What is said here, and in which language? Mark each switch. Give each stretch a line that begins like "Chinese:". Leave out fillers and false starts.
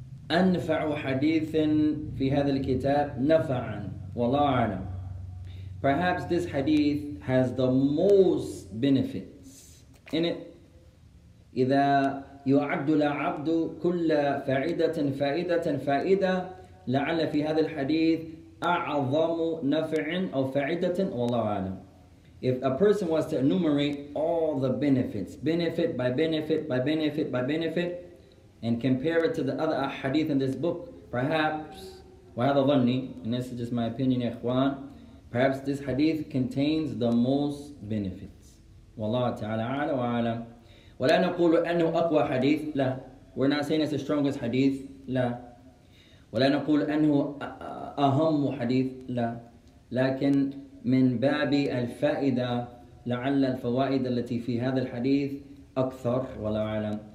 Arabic: أنفع حديث في هذا الكتاب نفعا والله أعلم.
English: Perhaps this hadith has the most benefits in it.
Arabic: إذا يعد العبد كل فائدة فائدة فائدة لعل في هذا الحديث أعظم نفع أو فائدة والله أعلم.
English: If a person was to enumerate all the benefits, benefit by benefit by benefit by benefit, and compare it to the other hadith in this book, perhaps,
Arabic: وهذا ظني,
English: and this is just my opinion,
Arabic: إخوان,
English: perhaps this hadith contains the most benefits.
Arabic: والله تعالى أعلى وأعلم. ولا نقول أنه أقوى حديث, لا.
English: We're not saying it's the strongest hadith,
Arabic: لا. ولا نقول أنه أهم حديث, لا. لكن من باب الفائدة لعل الفوائد التي في هذا الحديث أكثر ولا أعلم.